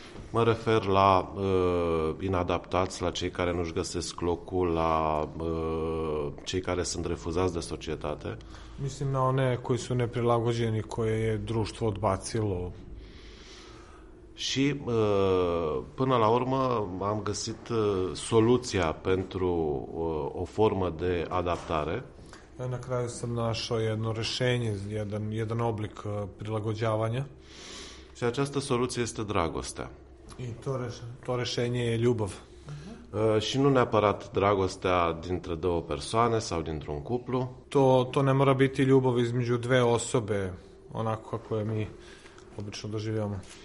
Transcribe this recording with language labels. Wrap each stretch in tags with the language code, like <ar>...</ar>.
<ro>Mă refer la inadaptați, la cei care nu-și găsesc locul, la cei care sunt refuzați de societate.</ro> <sr>Mislim na one koji su neprilagođeni, koje je društvo odbacilo.</sr> <ro>Și până la urmă am găsit soluția pentru o formă de adaptare.</ro> <sr>Na kraju sam našao jedno rešenje, jedan oblik prilagođavanja.</sr> <ro>Și această soluție este dragostea.</ro> <sr>I to rešenje je ljubav.</sr> <ro>Și nu neapărat dragostea dintre două persoane sau dintr-un cuplu.</ro> <sr>To ne mora biti ljubav između dve osobe, onako kako je mi obično doživljamo.</sr>